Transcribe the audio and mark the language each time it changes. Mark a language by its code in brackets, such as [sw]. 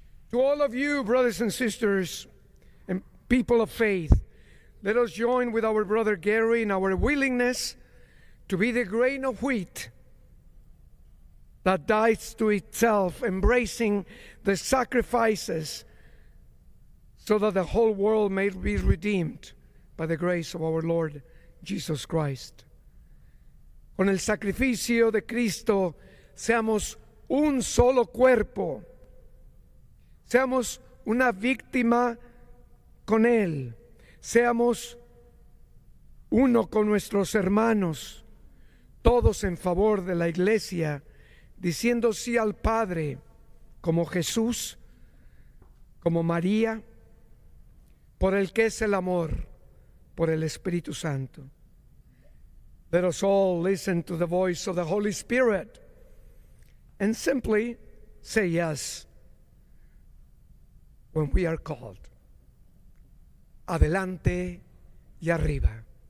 [en] To all of you, brothers and sisters, and people of faith, let us join with our brother Gary in our willingness to be the grain of wheat that dies to itself, embracing the sacrifices so that the whole world may be redeemed by the grace of our Lord Jesus Christ. [es] Con el sacrificio de Cristo, seamos un solo cuerpo. Seamos una víctima con Él. Seamos uno con nuestros hermanos, todos en favor de la Iglesia, diciendo sí al Padre, como Jesús, como María, por el que es el amor, por el Espíritu Santo. [en] Let us all listen to the voice of the Holy Spirit and simply say yes when we are called. [es] Adelante y arriba.